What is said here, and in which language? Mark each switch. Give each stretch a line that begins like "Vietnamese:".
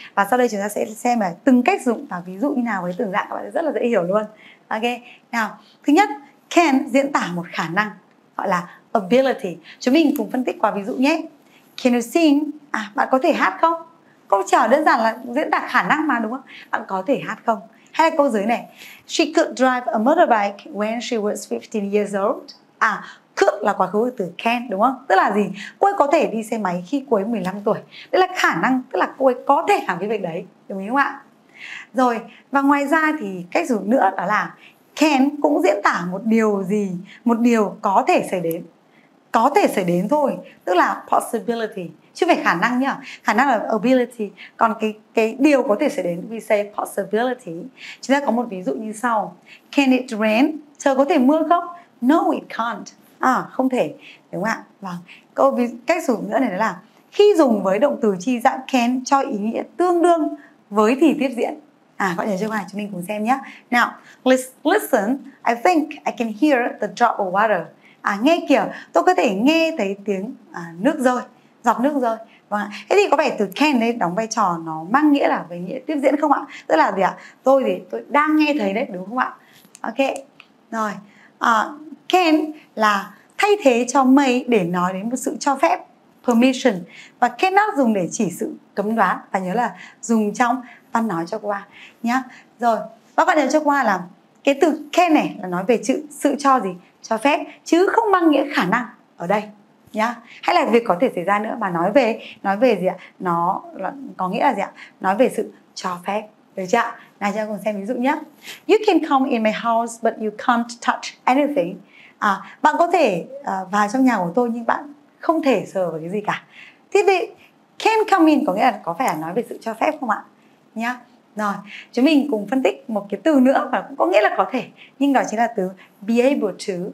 Vietnamese: Và sau đây chúng ta sẽ xem là từng cách dụng và ví dụ như nào với từng dạng, các bạn sẽ rất là dễ hiểu luôn. Ok, nào, thứ nhất, can diễn tả một khả năng, gọi là ability. Chúng mình cùng phân tích qua ví dụ nhé.
English: Can you sing?
Vietnamese: À, bạn có thể hát không? Câu trả đơn giản là diễn tả khả năng mà, đúng không? Bạn có thể hát không? Hay là câu dưới này.
English: She could drive a motorbike when she was 15 years old.
Vietnamese: À, could là quá khứ từ can, đúng không? Tức là gì? Cô ấy có thể đi xe máy khi cô ấy 15 tuổi. Đây là khả năng, tức là cô ấy có thể làm cái việc đấy, đúng không ạ? Rồi, và ngoài ra thì cách dùng nữa đó là can cũng diễn tả một điều gì, một điều có thể xảy đến. Có thể xảy đến thôi, tức là possibility, chứ phải khả năng nhá. Khả năng là ability, còn cái điều có thể xảy đến,
English: we say possibility.
Vietnamese: Chúng ta có một ví dụ như sau.
English: Can it rain?
Vietnamese: Trời có thể mưa không?
English: No, it can't.
Vietnamese: À, không thể, đúng không ạ? Vâng, cách dùng nữa này là khi dùng với động từ chi dạng can cho ý nghĩa tương đương với thì tiếp diễn. À, gọi nhớ cho bài, chúng mình cùng xem nhé.
English: Now, listen, I think I can hear the drop of water.
Vietnamese: À, nghe kìa, tôi có thể nghe thấy tiếng nước rơi, giọt nước rơi. Vâng ạ, thế thì có vẻ từ can đấy đóng vai trò nó mang nghĩa là với nghĩa tiếp diễn không ạ? Tức là gì ạ? Tôi đang nghe thấy đấy, đúng không ạ? Ok, rồi. Can là thay thế cho may để nói đến một sự cho phép, permission. Và cannot dùng để chỉ sự cấm đoán. Và nhớ là dùng trong văn nói cho Khoa nhá. Rồi, và bạn nhớ cho Khoa là cái từ can này là nói về sự cho gì? Cho phép, chứ không mang nghĩa khả năng ở đây nhá. Hay là việc có thể xảy ra nữa mà nói về gì ạ? Nó có nghĩa là gì ạ? Nói về sự cho phép. Được chưa ạ? Nào cho cùng xem ví dụ nhé.
English: You can come in my house but you can't touch anything.
Vietnamese: À, bạn có thể vào trong nhà của tôi nhưng bạn không thể sờ vào cái gì cả. Thế vậy, can come in có nghĩa là có phải là nói về sự cho phép không ạ? Nhá. Rồi, chúng mình cùng phân tích một cái từ nữa và cũng có nghĩa là có thể, nhưng đó chính là từ be able to.